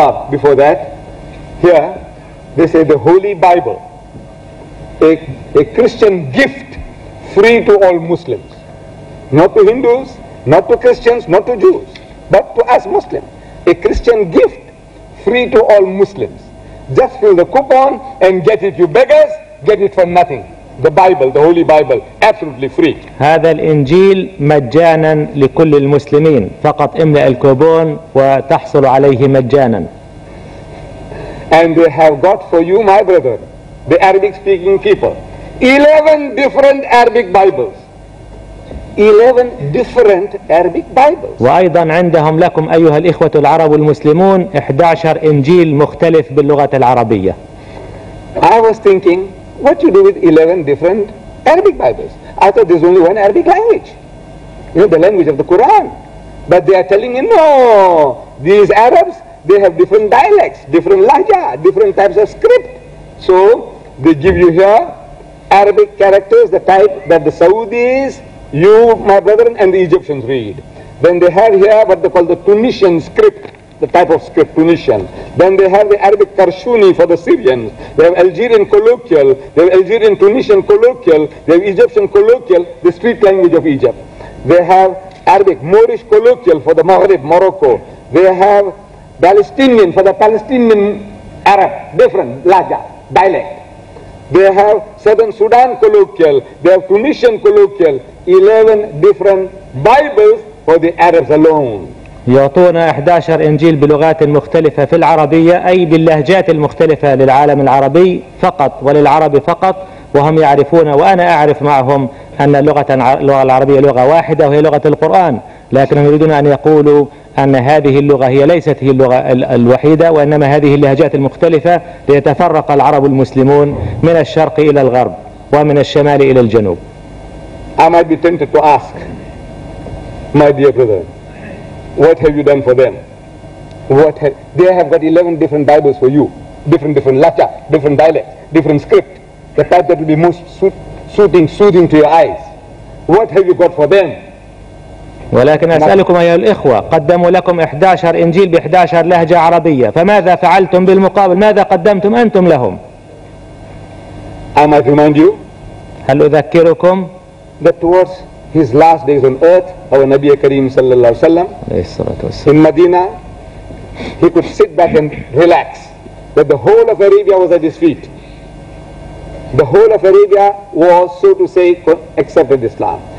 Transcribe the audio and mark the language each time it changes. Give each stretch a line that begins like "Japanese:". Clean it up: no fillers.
English: Before that, here they say the Holy Bible, a Christian gift, free to all Muslims, not to Hindus. Not to Christians, not to Jews, but to us Muslims. A Christian gift, free to all Muslims. Just fill the coupon and get it, you beggars. Get it for nothing. The Bible, the Holy Bible, absolutely free.
Arabic: هذا الإنجيل مجانا لكل المسلمين. فقط املأ الكوبون وتحصل عليه مجانا.
English: And they have got for you, my brother, the Arabic-speaking people, 11 different Arabic Bibles. 11 different Arabic Bibles.
Arabic: وأيضا عندهم لكم أيها الإخوة العرب المسلمون 11 إنجيل مختلف باللغة العربية.
English: I was thinking, what you do with 11 different Arabic Bibles? I thought there's only one Arabic language, you know, the language of the Quran. But they are telling me, no, these Arabs, they have different dialects, different lahja, different types of script. So they give you here Arabic characters, the type that the Saudis, you, my brethren, and the Egyptians read. Then they have here what they call the Tunisian script, the type of script, Tunisian. Then they have the Arabic Karshuni for the Syrians. They have Algerian colloquial, they have Algerian Tunisian colloquial, they have Egyptian colloquial, the street language of Egypt. They have Arabic Moorish colloquial for the Maghrib, Morocco. They have Palestinian for the Palestinian Arab, different, lahja, dialect. They have Southern Sudan colloquial, they have Tunisian colloquial, 11 different Bibles for the Arabs alone.
Arabic: يعطونا 11 إنجيل بلغات مختلفة في العربية أي باللهجات المختلفة للعالم العربي فقط وللعرب فقط، وهم يعرفون وأنا أعرف معهم أن اللغة العربية لغة واحدة وهي لغة القرآن، لكنهم يريدون أن يقولوا أن هذه اللغة هي ليست هي اللغة الوحيدة، وإنما هذه اللهجات المختلفة ليتفرق العرب المسلمون من الشرق إلى الغرب ومن الشمال إلى الجنوب.
English: I might be tempted to ask, my dear brother, what have you done for them? They have got 11 different Bibles for you, different lahja, different dialects, different script, the type that will be most soothing to your eyes. What have you got for them?
Arabic: ولكن أسألكم أيها الإخوة، قدموا لكم 11 إنجيل ب 11 لهجة عربية، فماذا فعلتم بالمقابل؟ ماذا قدمتم أنتم لهم؟
English: I might remind you.
Arabic: هل أذكركم؟
English: That towards his last days on earth, our
Arabic: Nabi Kareem sallallahu alaihi wasallam,
English: in Medina, he could sit back and relax. That the whole of Arabia was at his feet. The whole of Arabia was, so to say, accepted Islam.